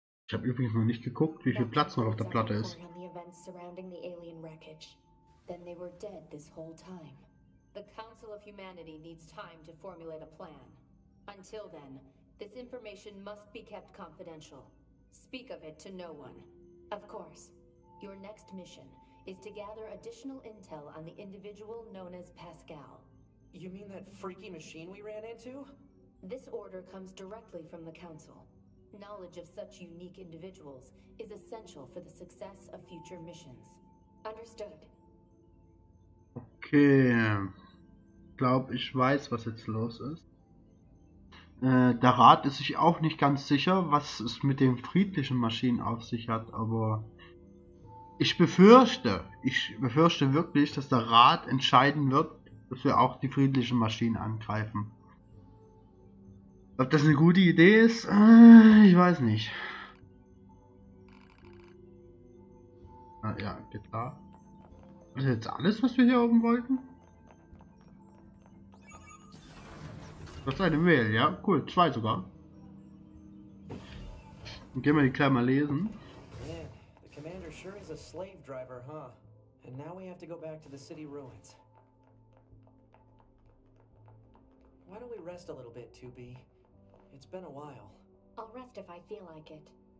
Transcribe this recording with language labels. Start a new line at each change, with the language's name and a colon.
German: Ich habe übrigens noch nicht geguckt, wie viel Platz noch auf der Platte ist.
English: The events surrounding the alien wreckage. Then they were dead this whole time. The Council of Humanity needs time to formulate a plan. Until then, this information must be kept confidential. Speak of it to no one. Of course, your next mission is to gather additional intel on the individual known as Pascal. You mean that freaky machine we ran into? This order comes directly from the Council. Knowledge of such unique individuals is essential for the success of future missions. Understood. Okay.
German: Glaub, ich weiß, was jetzt los ist. Der Rat ist sich auch nicht ganz sicher, was es mit den friedlichen Maschinen auf sich hat, aber ich befürchte wirklich, dass der Rat entscheiden wird, dass wir auch die friedlichen Maschinen angreifen. Ob das eine gute Idee ist, ich weiß nicht. Ah ja, geht da. Ist das jetzt alles, was wir hier oben wollten? Das ist eine Mail, ja? Cool, zwei sogar. Dann gehen wir die Klammer lesen.
English: Man, the commander sure is a slave driver, huh? And now we have to go back to the city ruins. Why don't we rest a little bit, 2B? It's been a while. I'll rest if I feel like it.